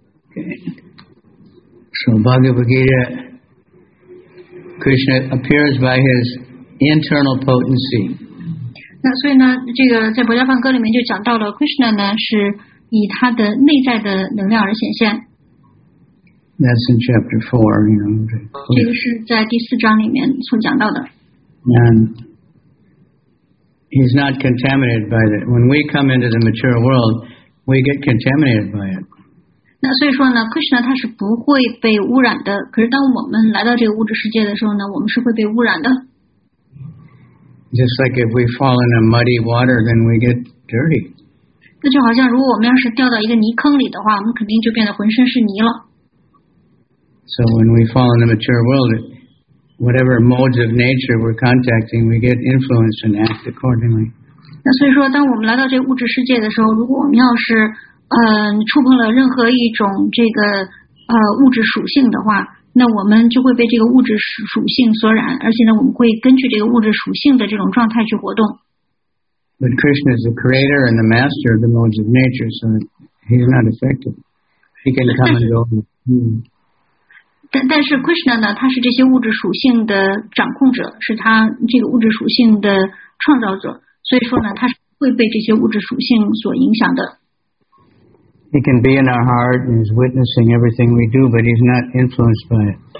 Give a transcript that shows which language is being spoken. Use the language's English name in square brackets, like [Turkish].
[English] Okay. So Bhagavad Gita, Krishna appears by his internal potency. [Chinese] 那所以呢，这个在《薄伽梵歌》里面就讲到了 ，Krishna 呢是以他的内在的能量而显现。 [English] That's in chapter 4, you know. [Chinese] 这个是在第四章里面所讲到的。 [English] And he's not contaminated by it. When we come into the material world, we get contaminated by it. [Chinese] 那所以说呢 ，Krishna 他是不会被污染的。可是当我们来到这个物质世界的时候呢，我们是会被污染的。 [English] Just like if we fall in a muddy water, then we get dirty. [Chinese] 那就好像如果我们要是掉到一个泥坑里的话，我们肯定就变得浑身是泥了。 [English] So when we fall in the material world, whatever modes of nature we're contacting, we get influenced and act accordingly. [Chinese] 那所以说，当我们来到这物质世界的时候，如果我们要是触碰了任何一种这个物质属性的话，那我们就会被这个物质属性所染，而且呢，我们会根据这个物质属性的这种状态去活动。 [English] But Krishna is the creator and the master of the modes of nature, so he's not affected. He can come and go. [Chinese] 但是 Krishna 呢，他是这些物质属性的掌控者，是他这个物质属性的创造者，所以说呢，他是会被这些物质属性所影响的。 [English] He can be in our heart and is witnessing everything we do, but he's not influenced by it.